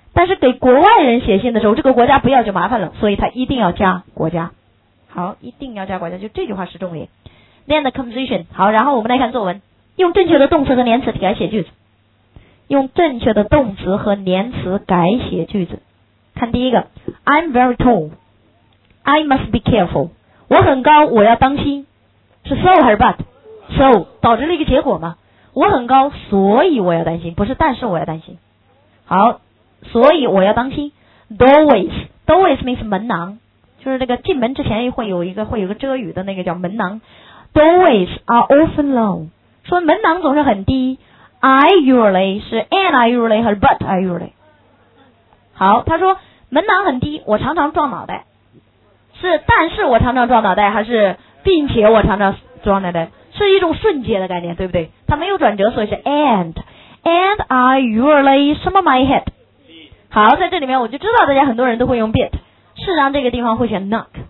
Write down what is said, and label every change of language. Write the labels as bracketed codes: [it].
[zh] 但是给国外人写信的时候这个国家不要就麻烦了，所以他一定要加国家。好，一定要加国家，就这句话是重点。 [en] Then the composition。 [zh] 好，然后我们来看作文，用正确的动词和连词改写句子，用正确的动词和连词改写句子。看第一个， [en] I'm very tall, I must be careful。 [zh] 我很高我要当心，是 so 还是 but？ So 导致了一个结果嘛，我很高所以我要担心，不是但是我要担心。好，所以我要当心。 [en] Doorways， Doorways means [zh] 门廊，就是那个进门之前会有一个遮雨的那个叫门廊。 [en] Doorways are often low， [zh] 说门廊总是很低。 [en] I usually [zh] 是 [en] and I usually [zh] 还是 [en] but I usually？ [zh] 好，他说门廊很低，我常常撞脑袋，是但是我常常撞脑袋还是并且我常常撞脑袋？是一种瞬间的概念，对不对？他没有转折，所以是 [en] and I usually [zh] 什么 [en] my head。 [zh] 好，在这里面我就知道大家很多人都会用 bit， 事实上这个地方会选 knock。